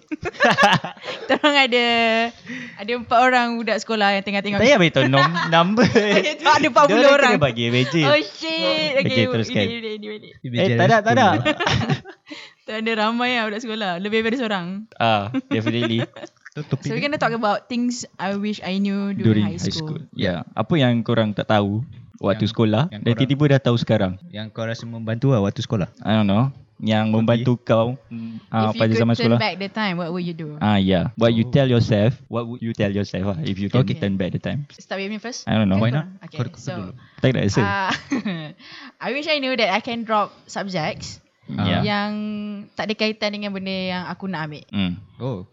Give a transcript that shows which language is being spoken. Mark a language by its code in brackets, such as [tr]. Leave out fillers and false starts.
[ms] Kita orang ada 4 orang budak sekolah yang tengah tengok. Tak payah beritahu number. Okay, ada 40 orang. Dia bagi meja. [en] Oh shit. [ms] Okay teruskan. Tak ada. Tak ada ramai lah budak sekolah. Lebih daripada seorang. [en] Definitely. So we're going to talk about things I wish I knew during high school. Yeah. [ms] Apa yang korang tak tahu waktu yang, sekolah yang dan korang, tiba-tiba dah tahu sekarang? Yang kau rasa membantu lah waktu sekolah? [en] I don't know. [ms] Yang membantu kau pada zaman sekolah. [en] If you could turn back the time, what would you do? What you tell yourself, what would you tell yourself if you can turn back the time? Start with me first? I don't know. Why not? Okay, so. Take that essay. I wish I knew that I can drop subjects. [ms] Yang tak ada kaitan dengan benda yang aku nak ambil.